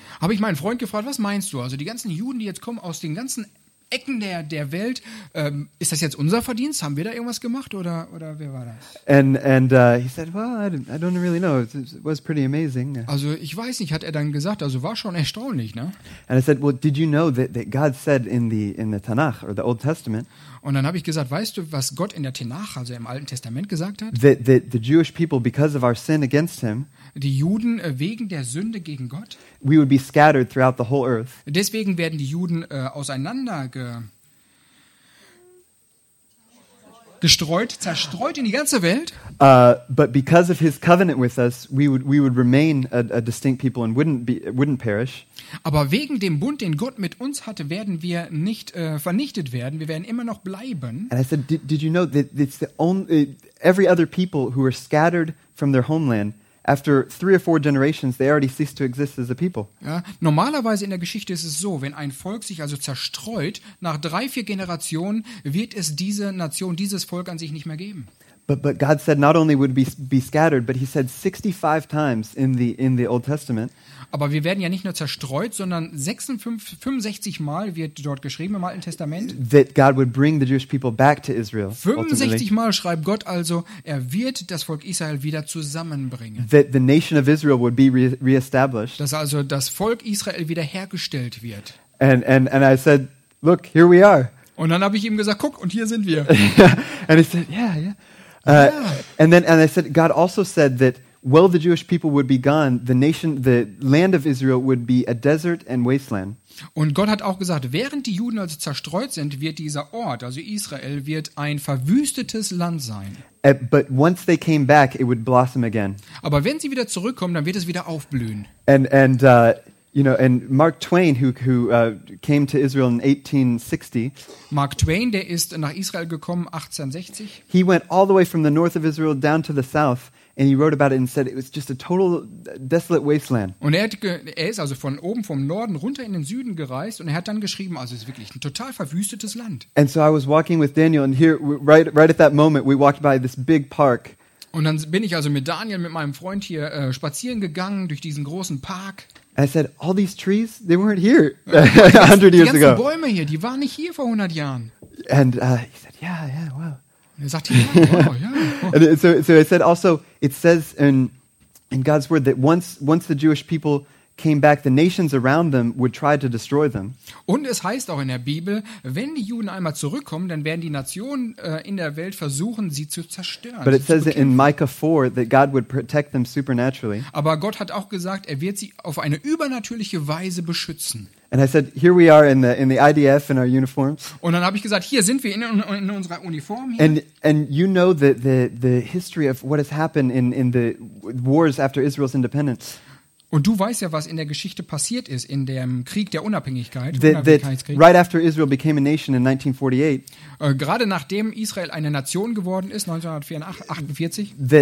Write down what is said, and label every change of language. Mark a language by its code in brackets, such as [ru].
[de] Habe ich meinen Freund gefragt, was meinst du? Also die ganzen Juden, die jetzt kommen aus den ganzen Ecken der Welt, ist das jetzt unser Verdienst? Haben wir da irgendwas gemacht oder wer war das? [en] And he said, well, I don't really know. It was pretty amazing. [de] Also ich weiß nicht, hat er dann gesagt. Also war schon erstaunlich, ne? [en] And I said, well, did you know that God said in the Tanakh or the Old Testament? [de] Und dann habe ich gesagt, weißt du, was Gott in der Tanakh, also im Alten Testament, gesagt hat? [en] The Jewish people, because of our sin against him. [de] Die Juden wegen der Sünde gegen Gott. [en] We would be scattered throughout the whole earth. [de] Deswegen werden die Juden auseinander zerstreut in die ganze Welt. [en] But because of his covenant with us, we would remain a distinct people and wouldn't perish. [de] Aber wegen dem Bund, den Gott mit uns hatte, werden wir nicht vernichtet werden. Wir werden immer noch bleiben. [en] And I said, did you know that it's the only every other people who are scattered from their homeland. After 3 or 4 generations, they already cease to exist as a people. [de] Ja, normalerweise in der Geschichte ist es so, wenn ein Volk sich also zerstreut, nach 3, 4 Generationen wird es diese Nation, dieses Volk an sich nicht mehr geben. [en] But God said not only would be scattered, but he said 65 times in the Old Testament. [de] Aber wir werden ja nicht nur zerstreut, sondern 65 Mal wird dort geschrieben im Alten Testament. [en] That God would bring the Jewish people back to Israel. [de] 65 Mal schreibt Gott also, er wird das Volk Israel wieder zusammenbringen. [en] That the nation of Israel would be reestablished. [de] Dass also das Volk Israel wiederhergestellt wird. [en] And I said, look, here we are. [de] Und dann habe ich ihm gesagt, guck, und hier sind wir. [en] And he said, yeah, yeah. And I said, God also said that while the Jewish people would be gone, the nation, the land of Israel would be a desert and wasteland. [de] Und Gott hat auch gesagt, während die Juden also zerstreut sind, wird dieser Ort, also Israel, wird ein verwüstetes Land sein. [en] But once they came back, it would blossom again. [de] Aber wenn sie wieder zurückkommen, dann wird es wieder aufblühen. [en] And You know, and Mark Twain, who came to Israel in 1860. [de] Mark Twain, der ist nach Israel gekommen 1860. [en] He went all the way from the north of Israel down to the south. And he wrote about it and said it was just a total desolate wasteland. [de] Und er ist also von oben vom Norden runter in den Süden gereist und er hat dann geschrieben, also es ist wirklich ein total verwüstetes Land. [en] And so I was walking with Daniel and here right at that moment we walked by this big park. [de] Und dann bin ich also mit Daniel mit meinem Freund hier spazieren gegangen durch diesen großen Park. [en] I said all these trees they weren't here 100 years ago. [de] Die ganzen Bäume hier, die waren nicht hier vor 100 Jahren. [en] And he said yeah wow. [de] Er sagt, ja, wow, ja. [en] So I said also it says in God's word that once the Jewish people came back the nations around them would try to destroy them. [de] Und es heißt auch in der Bibel, wenn die Juden einmal zurückkommen, dann werden die Nationen in der Welt versuchen sie zu zerstören. [en] But it says in Micah 4 that God would protect them supernaturally. [de] Aber Gott hat auch gesagt, er wird sie auf eine übernatürliche Weise beschützen. [en] And I said, here we are in the IDF in our uniforms. [de] Und dann habe ich gesagt, hier sind wir in unserer Uniform hier. [en] And you know the history of what has happened in the wars after Israel's independence. [de] Und du weißt ja, was in der Geschichte passiert ist in dem Krieg der Unabhängigkeit, Unabhängigkeitskrieg. [en] Right after Israel became a nation in 1948. [de] Gerade nachdem Israel eine Nation geworden ist 1948.